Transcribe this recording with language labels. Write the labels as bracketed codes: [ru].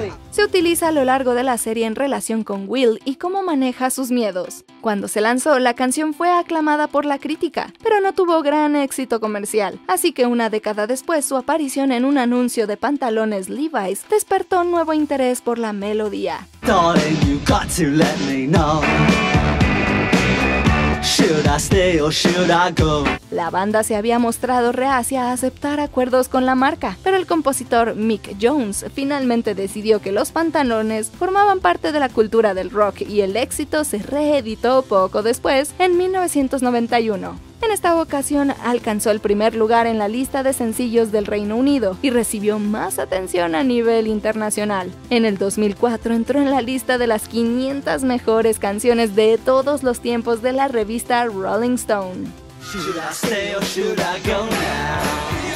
[es] Se utiliza a lo largo de la serie en relación con Will y cómo maneja sus miedos. Cuando se lanzó, la canción fue aclamada por la crítica, pero no tuvo gran éxito comercial, así que una década después su aparición en un anuncio de pantalones Levi's despertó nuevo interés por la melodía. [en] Darling, you got to let me know. Should I stay or should I go? [es] La banda se había mostrado reacia a aceptar acuerdos con la marca, pero el compositor Mick Jones finalmente decidió que los pantalones formaban parte de la cultura del rock y el éxito se reeditó poco después, en 1991. En esta ocasión alcanzó el primer lugar en la lista de sencillos del Reino Unido y recibió más atención a nivel internacional. En el 2004 entró en la lista de las 500 mejores canciones de todos los tiempos de la revista Rolling Stone. [en] Should I stay or should I go now?